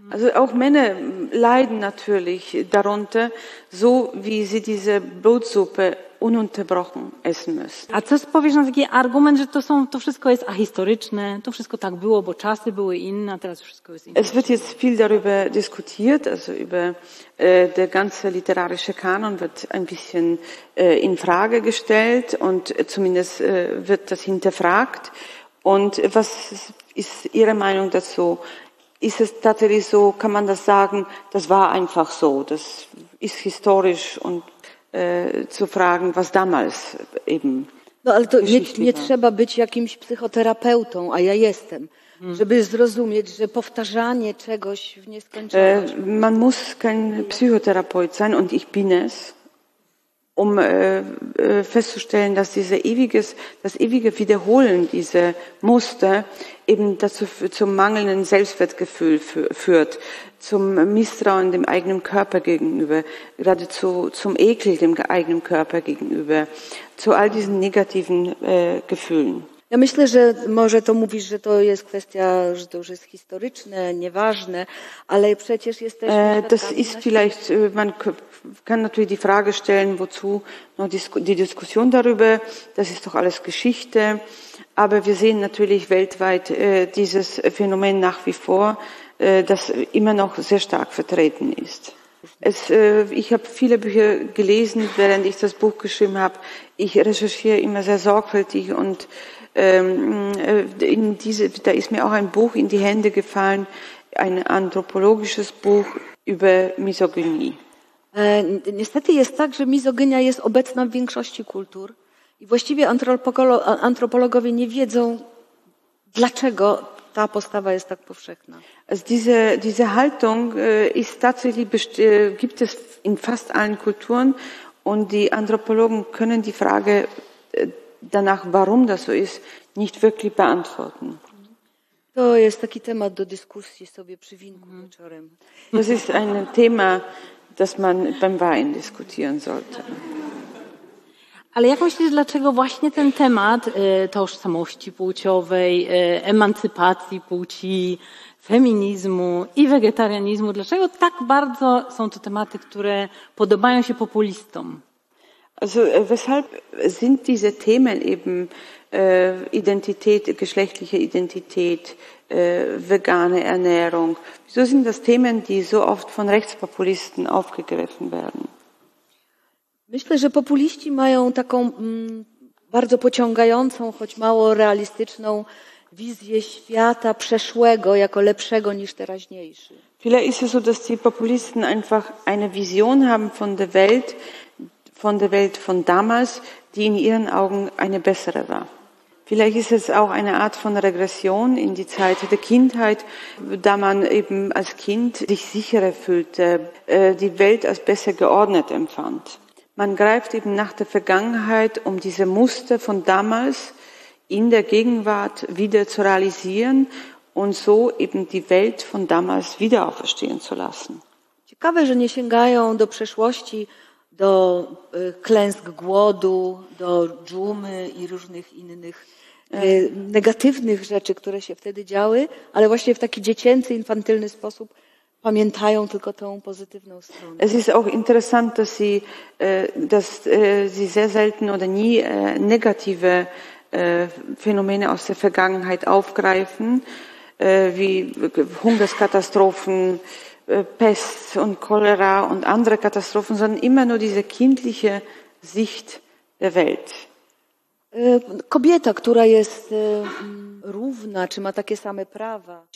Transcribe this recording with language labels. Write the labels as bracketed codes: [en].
[de] Also auch Männer leiden natürlich darunter, so wie sie diese Blutsuppe ununterbrochen essen müssen. [pl] A co powiesz na taki argument, że to wszystko jest ahistoryczne, to wszystko tak było, bo czasy były inne, a teraz wszystko jest inne. [de] Es wird jetzt viel darüber diskutiert, also über der ganze literarische Kanon wird ein bisschen in Frage gestellt und zumindest wird das hinterfragt. Und was ist Ihre Meinung dazu? Ist es tatsächlich so, kann man das sagen, das war einfach so, das ist historisch und zu fragen, was damals eben. [pl] No ale to nie trzeba być jakimś psychoterapeutą, a ja jestem, żeby zrozumieć, że powtarzanie czegoś w nieskończoność. [de] Man muss kein Psychotherapeut sein und ich bin es. Um festzustellen, dass das ewige Wiederholen dieser Muster eben dazu zum mangelnden Selbstwertgefühl führt, zum Misstrauen dem eigenen Körper gegenüber, geradezu zum Ekel dem eigenen Körper gegenüber, zu all diesen negativen Gefühlen. [pl] Ja myślę, że może to mówisz, że to jest kwestia, że to już jest historyczne, nieważne, ale przecież jesteśmy... [de] Das ist vielleicht, man kann natürlich die Frage stellen, wozu noch die Diskussion darüber, das ist doch alles Geschichte, aber wir sehen natürlich weltweit dieses Phänomen nach wie vor, das immer noch sehr stark vertreten ist. Ich habe viele Bücher gelesen, während ich das Buch geschrieben habe. Ich recherchiere immer sehr sorgfältig und da ist mir auch ein Buch in die Hände gefallen, ein anthropologisches Buch über Misogynie. [pl] Niestety jest tak, że mizoginia jest obecna w większości kultur i właściwie antropologowie nie wiedzą, dlaczego ta postawa jest tak powszechna. [de] Diese Haltung ist tatsächlich gibt es in fast allen Kulturen und die Anthropologen können die Frage danach, warum das so ist, nicht wirklich beantworten. [pl] To jest taki temat do dyskusji sobie przy winku wieczorem. [de] Das ist ein Thema, das man beim Wein diskutieren sollte. [pl] Ale jak myślisz, dlaczego właśnie ten temat tożsamości płciowej, emancypacji płci, feminizmu i wegetarianizmu, dlaczego tak bardzo są to tematy, które podobają się populistom? [de] Also weshalb sind diese Themen eben Identität, geschlechtliche Identität, vegane Ernährung, wieso sind das Themen, die so oft von Rechtspopulisten aufgegriffen werden? [pl] Myślę, że populiści mają taką bardzo pociągającą, choć mało realistyczną wizję świata przeszłego jako lepszego niż teraźniejszy. [de] Vielleicht ist es so, dass die Populisten einfach eine Vision haben von der Welt von damals, die in ihren Augen eine bessere war. Vielleicht ist es auch eine Art von Regression in die Zeit der Kindheit, da man eben als Kind sich sicherer fühlte, die Welt als besser geordnet empfand. Man greift eben nach der Vergangenheit, um diese Muster von damals in der Gegenwart wieder zu realisieren und so eben die Welt von damals wieder auferstehen zu lassen. [pl] Ciekawe, że nie sięgają do przeszłości, do klęsk głodu, do dżumy i różnych innych negatywnych rzeczy, które się wtedy działy, ale właśnie w taki dziecięcy, infantylny sposób pamiętają tylko tą pozytywną stronę. [de] Es ist auch interessant, dass sie sehr selten oder nie negative Phänomene aus der Vergangenheit aufgreifen, wie Hungerskatastrophen, Pest und Cholera und andere Katastrophen, sondern immer nur diese kindliche Sicht der Welt. [pl] Kobieta, która jest równa, czy ma takie same prawa.